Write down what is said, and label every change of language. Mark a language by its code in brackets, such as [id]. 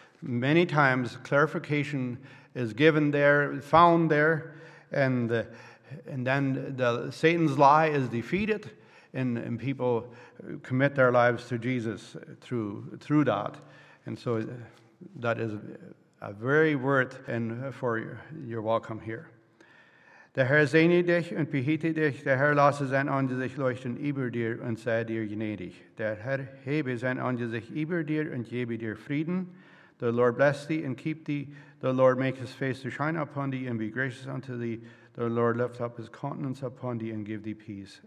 [en] Many times, clarification is given there, found there, and then the Satan's lie is defeated, and people commit their lives to Jesus through that. And so that is a very worth, and for your welcome here. [de] Der Herr segne dich und behüte dich, der Herr lasse sein Angesicht leuchten über dir und sei dir gnädig. Der Herr hebe sein Angesicht über dir und gebe dir Frieden. [en] The Lord bless thee and keep thee. The Lord make his face to shine upon thee and be gracious unto thee. The Lord lift up his countenance upon thee and give thee peace.